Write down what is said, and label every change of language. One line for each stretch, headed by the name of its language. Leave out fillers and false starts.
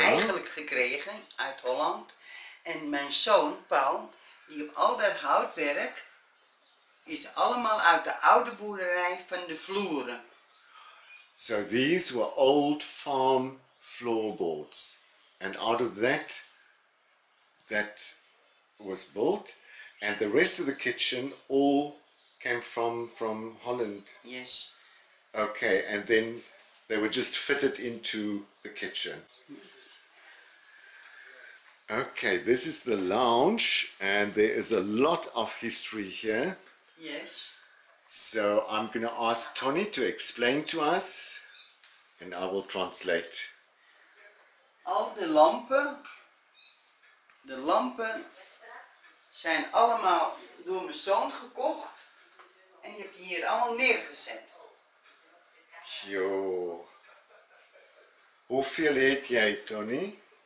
Dutch: Eigenlijk gekregen uit Holland. En mijn zoon Paul, die op al dat houtwerk is allemaal uit de oude boerderij van de vloeren.
English: So these were old farm floorboards, and out of that, that was built, and the rest of the kitchen all came from Holland. Yes. Okay, and then they were just fitted into the kitchen. Okay, this is the lounge, and there is a lot of history here. Yes. So I'm gonna ask Tony to explain to us, and I will translate.
Dutch: Al de lampen zijn allemaal door mijn zoon gekocht, en die heb je hier allemaal neergezet. Yo. Hoeveel heb jij, Tony?